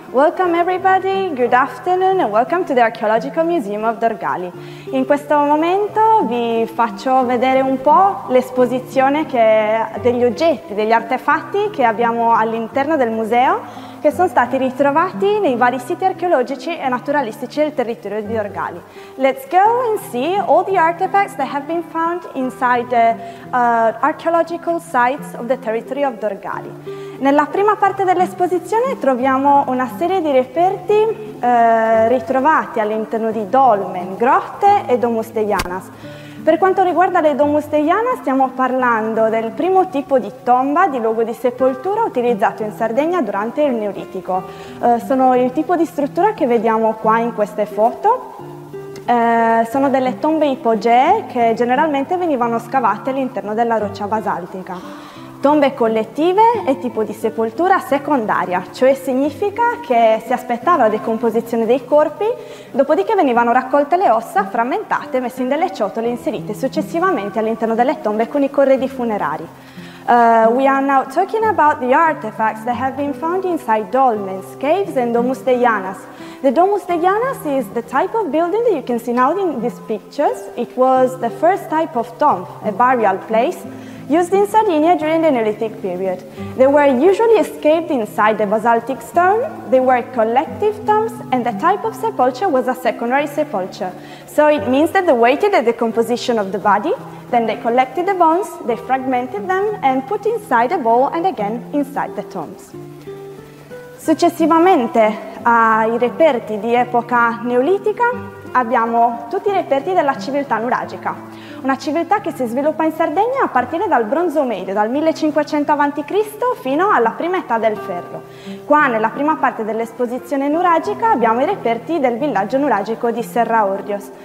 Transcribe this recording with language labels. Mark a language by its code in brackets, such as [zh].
[en] Welcome everybody, good afternoon and welcome to the Archaeological Museum of Dorgali. [it] In questo momento vi faccio vedere un po' l'esposizione degli oggetti, degli artefatti che abbiamo all'interno del museo, che sono stati ritrovati nei vari siti archeologici e naturalistici del territorio di Dorgali. [en] Let's go and see all the artifacts that have been found inside the archaeological sites of the territory of Dorgali. [it] Nella prima parte dell'esposizione troviamo una serie di reperti ritrovati all'interno di dolmen, grotte e domus de Janus. Per quanto riguarda le domus de Janus, stiamo parlando del primo tipo di tomba, di luogo di sepoltura utilizzato in Sardegna durante il Neolitico. Sono il tipo di struttura che vediamo qua in queste foto. Sono delle tombe ipogee che generalmente venivano scavate all'interno della roccia basaltica. Tombe collettive e tipo di sepoltura secondaria, cioè significa che si aspettava la decomposizione dei corpi, dopodiché venivano raccolte le ossa, frammentate, messe in delle ciotole e inserite successivamente all'interno delle tombe con i corredi funerari. [en] We are now talking about the artifacts that have been found inside dolmens, caves and domus de Janus. The Domus de Janus is the type of building that you can see now in these pictures. It was the first type of tomb, a burial place, used in Sardinia during the Neolithic period. They were usually excavated inside the basaltic stone, they were collective tombs, and the type of sepulture was a secondary sepulture. So it means that they waited the decomposition of the body, then they collected the bones, they fragmented them, and put inside a bowl and again inside the tombs. [it] Successivamente ai reperti di epoca neolitica, abbiamo tutti i reperti della civiltà nuragica, una civiltà che si sviluppa in Sardegna a partire dal Bronzo Medio, dal 1500 a.C. fino alla prima età del ferro. Qua, nella prima parte dell'esposizione nuragica, abbiamo i reperti del villaggio nuragico di Serra Ordios.